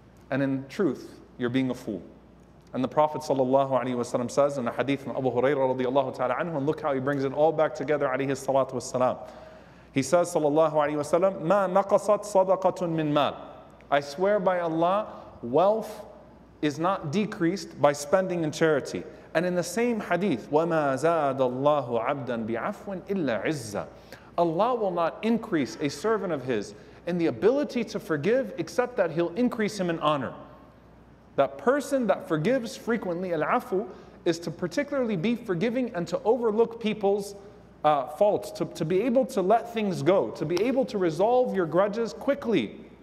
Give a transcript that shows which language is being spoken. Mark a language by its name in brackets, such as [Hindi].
[English] And in truth, you're being a fool. And the Prophet sallallahu alaihi wasallam says in a hadith from Abu Hurairah radiallahu ta'ala anhu, and look how he brings it all back together, alayhi salatu wasalam. He says sallallahu alaihi wasallam, [Arabic] ما نقصت صدقة من مال. [English] I swear by Allah, wealth is not decreased by spending in charity. And in the same hadith, [Arabic] وَمَا زَادَ اللَّهُ عَبْدًا بِعَفْوٍ إِلَّا عِزَّةً. [English] Allah will not increase a servant of His in the ability to forgive, except that He'll increase him in honor. That person that forgives frequently, al-afu, is to particularly be forgiving and to overlook people's faults, to be able to let things go, to be able to resolve your grudges quickly.